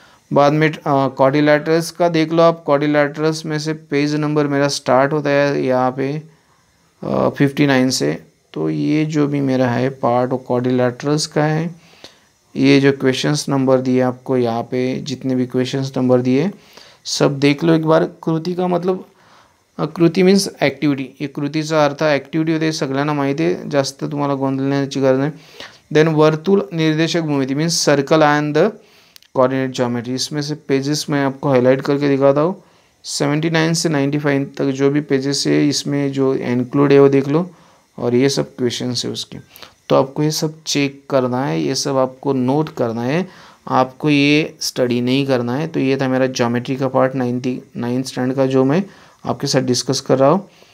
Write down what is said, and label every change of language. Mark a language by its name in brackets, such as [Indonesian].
[Hindi] बाद में क्वाड्रिलेटरल्स का देख लो आप, क्वाड्रिलेटरल्स में से पेज नंबर मेरा स्टार्ट होता है यहाँ पे 59 से, तो ये जो भी मेरा है पार्ट ऑफ क्वाड्रिलेटरल्स का है। ये जो क्वेश्चंस नंबर दिए आपको यहाँ पे, जितने भी क्वेश्चंस नंबर दिए सब देख लो एक बार। कृति का मतलब, [Marathi] कृति मीन्स ऍक्टिव्हिटी, ये कृतीचा अर्थ ऍक्टिव्हिटी होते सगळ्यांना माहिती आहे, जास्त तुम्हाला गोंधळण्याची गरज नाही। [Hindi] देन वर्तुळ निर्देशक भूमिती [English] means circle and the coordinate geometry, [Hindi] इसमें से पेजेस मैं आपको हाईलाइट करके दिखाता हूँ। 79 से 95 तक जो भी पेजेस है इसमें जो इंक्लूड है वो देख लो, और ये सब क्वेश्चंस है उसके, तो आपको ये सब चेक करना है, ये सब आपको नोट करना है, आपको ये स्टडी नहीं करना है। तो ये था मेरा ज्योमेट्री का पार्ट 99 स्टैंड का जो मैं आपके साथ डिस्कस कर रहा हूँ।